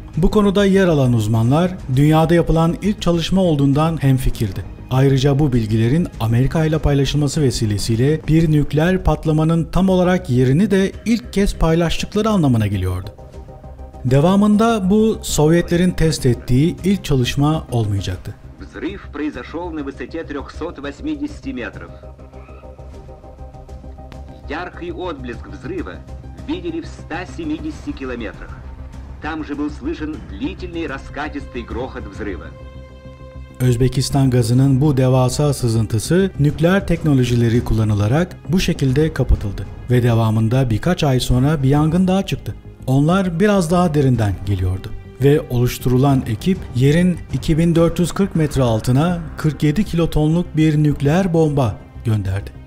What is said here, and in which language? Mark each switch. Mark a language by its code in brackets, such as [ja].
[tr] Bu konuda yer alan uzmanlar dünyada yapılan ilk çalışma olduğundan hemfikirdi. Ayrıca bu bilgilerin Amerika ile paylaşılması vesilesiyle bir nükleer patlamanın tam olarak yerini de ilk kez paylaştıkları anlamına geliyordu. Devamında bu Sovyetlerin test ettiği ilk çalışma olmayacaktı. [ru] Взрыв произошел на высоте 380 метров. Яркий отблеск взрыва видели в 170 километрах. Там же был слышен длительный раскатистый грохот взрыва. [tr] Özbekistan gazının bu devasa sızıntısı nükleer teknolojileri kullanılarak bu şekilde kapatıldı ve devamında birkaç ay sonra bir yangın daha çıktı. Onlar biraz daha derinden geliyordu ve oluşturulan ekip yerin 2440 metre altına 47 kilotonluk bir nükleer bomba gönderdi.